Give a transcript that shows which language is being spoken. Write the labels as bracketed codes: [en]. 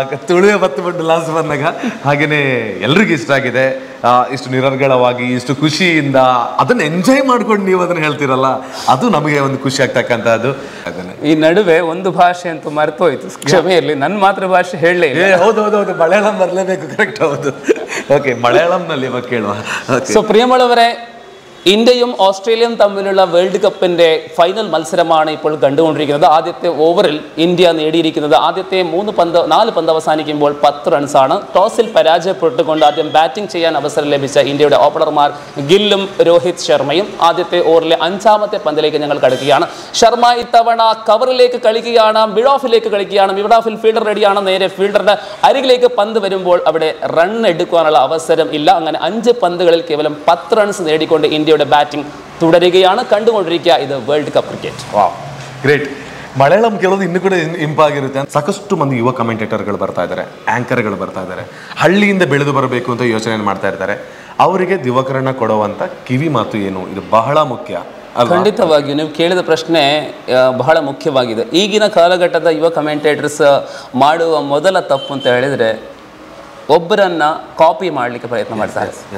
[kn] ತುಳುವೆ ಬತ್ತು ಬಿಟ್ಟು ಲಾಸ್ಟ್ ಬಂದಾಗ ಹಾಗೆಯೇ ಎಲ್ರಿಗೂ ಇಷ್ಟ ಆಗಿದೆ. ಇಷ್ಟು ನಿರರ್ಗಳವಾಗಿ ಇಷ್ಟು ಖುಷಿಯಿಂದ ಅದನ್ನು ಎಂಜಾಯ್ ಮಾಡ್ಕೊಂಡು ನೀವು ಅದನ್ನು ಹೇಳ್ತೀರಲ್ಲ, ಅದು ನಮಗೆ ಒಂದು ಖುಷಿ ಆಗ್ತಕ್ಕಂಥದ್ದು. ಈ ನಡುವೆ ಒಂದು ಭಾಷೆ ಅಂತೂ ಮರೆತೋಯ್ತು, ಕ್ಷಮೆ ಇರಲಿ, ನನ್ನ ಮಾತೃ ಭಾಷೆ ಹೇಳಲಿ. ಹೌದು ಮಲಯಾಳಂ ಬರಲೇಬೇಕು, ಕರೆಕ್ಟ್. ಹೌದು, ಓಕೆ, ಮಲಯಾಳಂನಲ್ಲಿ ಇವಾಗ ಕೇಳುವ. [ml] ಸೊ ಪ್ರಿಯಮಳವರೇ, ഇന്ത്യയും ഓസ്ട്രേലിയയും തമ്മിലുള്ള വേൾഡ് കപ്പിന്റെ ഫൈനൽ മത്സരമാണ് ഇപ്പോൾ കണ്ടുകൊണ്ടിരിക്കുന്നത്. ആദ്യത്തെ ഓവറിൽ ഇന്ത്യ നേടിയിരിക്കുന്നത് ആദ്യത്തെ 3 പന്ത് 4 പന്ത് അവസാനിക്കുമ്പോൾ 10 റൺസാണ്. ടോസിൽ പരാജയപ്പെട്ടുകൊണ്ട് ആദ്യം ബാറ്റിംഗ് ചെയ്യാൻ അവസരം ലഭിച്ച ഇന്ത്യയുടെ ഓപ്പണർമാർ ഗില്ലും രോഹിത് ശർമ്മയും ആദ്യത്തെ ഓവറിലെ 5-ാമത്തെ പന്തിലേക്ക് ഞങ്ങൾ കളിക്കുകയാണ്. ശർമ്മ ഇത്തവണ കവറിലേക്ക് കളിക്കുകയാണ്, മിഡ് ഓഫിലേക്ക് കളിക്കുകയാണ്. മിഡ് ഓഫിൽ ഫീൽഡർ റെഡിയാണ്, നേരെ ഫീൽഡറുടെ അരികിലേക്ക് പന്ത് വരുമ്പോൾ അവിടെ റൺ എടുക്കാനുള്ള അവസരം ഇല്ല. അങ്ങനെ 5 പന്തുകളിൽ കേവലം 10 റൺസ് നേടിക്കൊണ്ട് ഇന്ത്യയുടെ ബാറ്റിംഗ് തുടരുകയാണ്. കണ്ടുകൊണ്ടിരിക്കുക ഇത് വേൾഡ് കപ്പ് ക്രിക്കറ്റ്. [en] Wow great. [kn] ಮಲಯಾಳಂ ಕೇಳೋದು ಇನ್ನು ಕೂಡ ಇಂಪಾಗಿರುತ್ತೆ. ಸಾಕಷ್ಟು ಮಂದಿ ಯುವ ಕಮೆಂಟೇಟರ್ಗಳು ಬರ್ತಾ ಇದ್ದಾರೆ, ಆಂಕರ್ಗಳು ಬರ್ತಾ ಇದ್ದಾರೆ, ಹಳ್ಳಿಯಿಂದ ಬೆಳೆದು ಬರಬೇಕು ಅಂತ ಯೋಚನೆಯನ್ನು ಮಾಡ್ತಾ ಇರ್ತಾರೆ. ಅವರಿಗೆ ದಿವಕರಣ ಕೊಡುವಂತ ಕಿವಿ ಮಾತು ಏನು? ಇದು ಬಹಳ ಮುಖ್ಯ. ಖಂಡಿತವಾಗಿಯೂ ನೀವು ಕೇಳಿದ ಪ್ರಶ್ನೆ ಬಹಳ ಮುಖ್ಯವಾಗಿದೆ. ಈಗಿನ ಕಾಲಘಟ್ಟದ ಯುವ ಕಮೆಂಟೇಟರ್ಸ್ ಮಾಡುವ ಮೊದಲ ತಪ್ಪು ಅಂತ ಹೇಳಿದ್ರೆ ಒಬ್ಬರನ್ನ ಕಾಪಿ ಮಾಡಲಿಕ್ಕೆ ಪ್ರಯತ್ನ ಮಾಡ್ತಾರೆ.